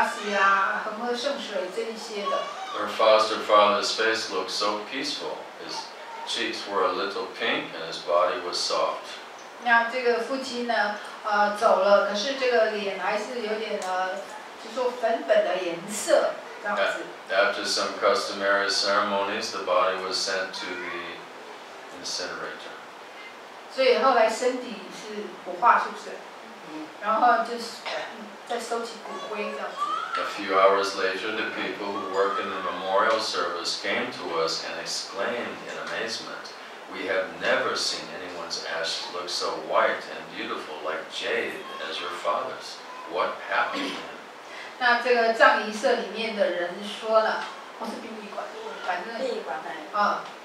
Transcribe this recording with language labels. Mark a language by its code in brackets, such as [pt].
[zh] 所以亚瑟达就帮父亲放这个提拉克，涂上提拉克啊，那个图拉西啊，和圣水这一些的。 [en] Her foster father's face looked so peaceful. His cheeks were a little pink, and his body was soft. [zh] 那这个父亲呢，走了，可是这个脸还是有点就说粉粉的颜色这样子。 [en] After some customary ceremonies, the body was sent to the incinerator. [zh] 所以后来身体是火化，是不是？然后就是在收集骨灰这样子。 [en] A few hours later, the people who work in the memorial service came to us and exclaimed in amazement, "We have never seen anyone's ash look so white and beautiful like jade as your father's. What happened?" [zh] 那这个葬仪社里面的人说了，或是殡仪馆，反正殡仪馆那里啊。